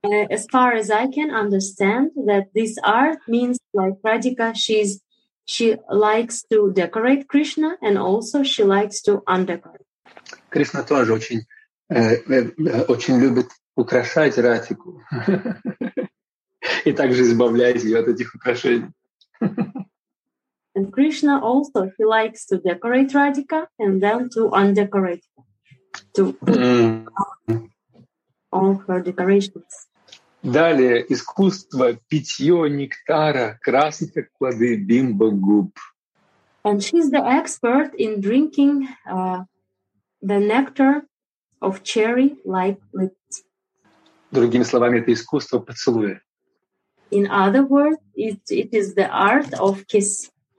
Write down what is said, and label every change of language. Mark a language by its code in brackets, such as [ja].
[en] As far as I can understand, that this art means like Radhika, she likes to decorate Krishna, and also she likes to undecorate. [ru] Krishna тоже очень любит украшать Радхику и также избавлять ее от этих украшений. [en] And Krishna also, he likes to decorate Radhika and then to undecorate her, to put all her decorations. [ru] Далее искусство питье нектара красных плоды бимба губ. [en] And she's the expert in drinking the nectar of cherry like lips. [ru] Другими словами, это искусство поцелуя. [en] In other words, it is the art of kiss.